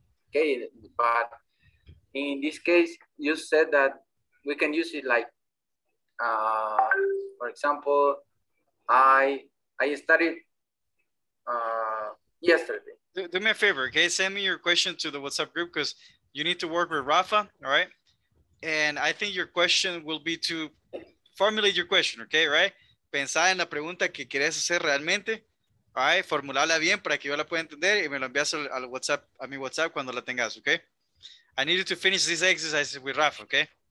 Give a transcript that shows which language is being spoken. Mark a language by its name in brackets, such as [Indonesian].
[English] Okay, but in this case, you said that we can use it like, for example, I studied yesterday. Do me a favor, okay? Send me your question to the WhatsApp group because you need to work with Rafa, all right? And I think your question will be to formulate your question, okay, right? [Spanish] Pensar en la pregunta que quieres hacer realmente. [English] All right, [Spanish] formularla bien para que yo la pueda entender y me lo envías al WhatsApp, a mi WhatsApp cuando la tengas, okay? [English] I need you to finish this exercise with Rafa, okay?